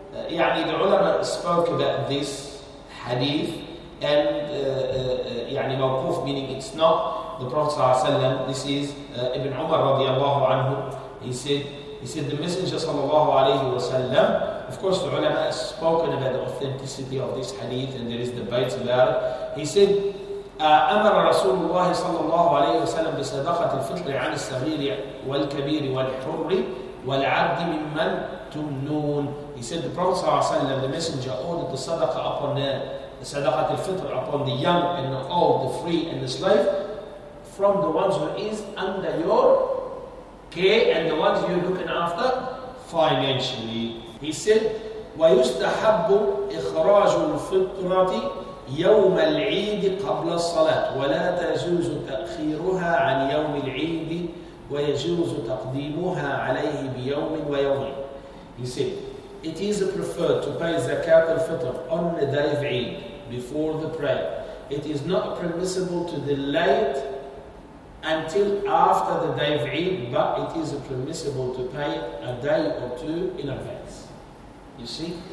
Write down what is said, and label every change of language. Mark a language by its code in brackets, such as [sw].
[en] Yani the ulama spoke about this hadith, and yani mawquf meaning it's not the Prophet sallallahu alayhi wa sallam. This is Ibn Umar radiallahu anhu. He said the Messenger sallallahu alayhi wa sallam. Of course, the ulama has spoken about the authenticity of this hadith, and there is debate about it. He said, [ar] أمر رسول الله صلى الله عليه وسلم بصدقة الفطر عن الصغير والكبير والحر والعبد ممن تمنون. [en] He said the Prophet صلى الله عليه وسلم, the Messenger, ordered the صدقة upon the صدقة الفطر upon the young and the old, the free and the slave, from the ones who is under your care and the ones you're looking after financially. He said, [ar] ويستحب إخراج الفطرة يوم العيد قبل الصلاة ولا تجوز تأخيرها عن يوم العيد ويجوز تقديمها عليه بيوم ويومين. [en] He said, it is preferred to pay zakat al-fitr on the day of Eid before the prayer. It is not permissible to delay it until after the day of Eid, but it is permissible to pay it a day or two in advance. You see?